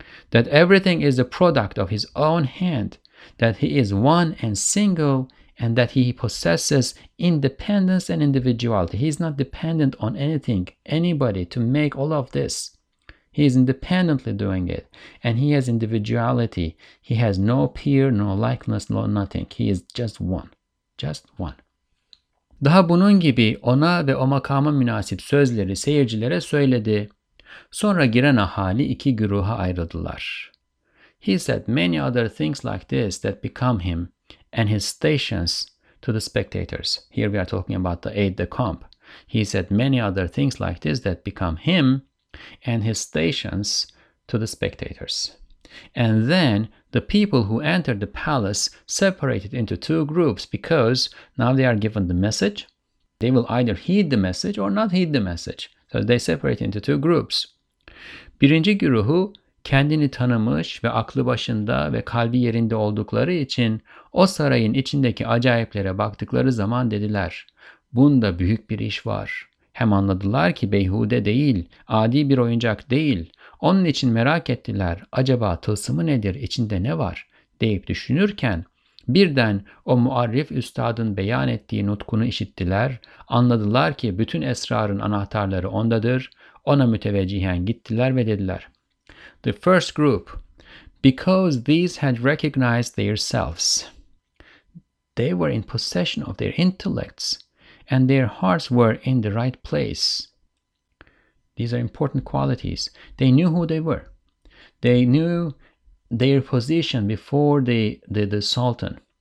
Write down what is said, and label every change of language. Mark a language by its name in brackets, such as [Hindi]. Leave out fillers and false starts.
[English] That everything is a product of his own hand, that he is one and single, and that he possesses independence and individuality. He is not dependent on anything, anybody, to make all of this. He is independently doing it, and he has individuality. He has no peer, no likeness, no nothing. He is just one, just one. [Turkish] Daha bunun gibi ona ve o makama münasip sözleri seyircilere söyledi. Sonra giren ahali iki güruha ayrıldılar. [English] He said many other things like this that become him and his stations to the spectators. Here we are talking about the aide-de-camp. He said many other things like this that become him and his stations to the spectators. And then the people who entered the palace separated into two groups because now they are given the message. They will either heed the message or not heed the message. So they separate into two groups. [Turkish] Birinci güruhu kendini tanımış ve aklı başında ve kalbi yerinde oldukları için o sarayın içindeki acayiplere baktıkları zaman dediler. Bunda büyük bir iş var. Hem anladılar ki beyhude değil, adi bir oyuncak değil. Onun için merak ettiler. Acaba tılsımı nedir, içinde ne var? Deyip düşünürken birden o muarrif üstadın beyan ettiği nutkunu işittiler. Anladılar ki bütün esrarın anahtarları ondadır. Ona müteveccihen gittiler ve dediler. [English] The first group, because these had recognized themselves, they were in possession of their intellects and their hearts were in the right place. These are important qualities. They knew who they were. They knew their position before the Sultan.